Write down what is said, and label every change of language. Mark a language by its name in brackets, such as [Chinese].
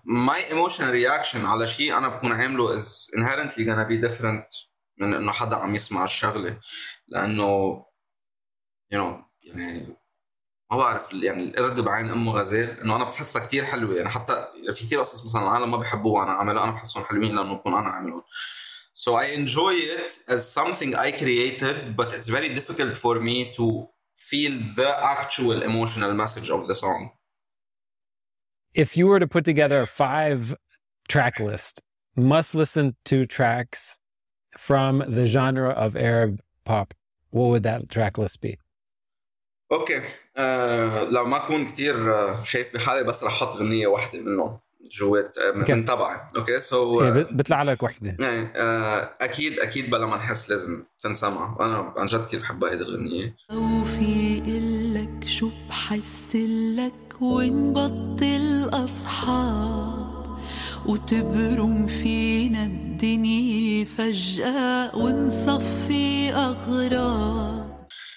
[English] My emotional reaction [Arabic] على شيء أنا بكون عامله [English] is inherently gonna be different [Arabic] من إنه حدا عم يسمع الشغلة، لأنه you know يعني ما بعرف يعني الأرض بعين أمه غزال، إنه أنا بحسها كتير حلوة يعني حتى في كتير قصص مثلاً العالم ما بحبوه أنا عمله، أنا بحسهم حلوين لأنه بكون أنا عاملهم. [English] So I enjoy it as something I created, but it's very difficult for me to feel the actual emotional message of the song. If you were to put together a 5-track list, must listen to tracks from the genre of Arab pop, what would that track list be? Okay. [Arabic] لو ما كون كتير شايف بحالي بس رح حط غنية واحدة منهم. جوات من طبع. اوكي سو بيطلع لك وحده اكيد اكيد بلا ما نحس لازم تنسمع. انا عن جد كثير بحب هذه الاغنيه. خوفي اقول لك شو بحس لك ونبطل اصحاب وتبرم فينا الدنيا فجاه ونصفي اغراب.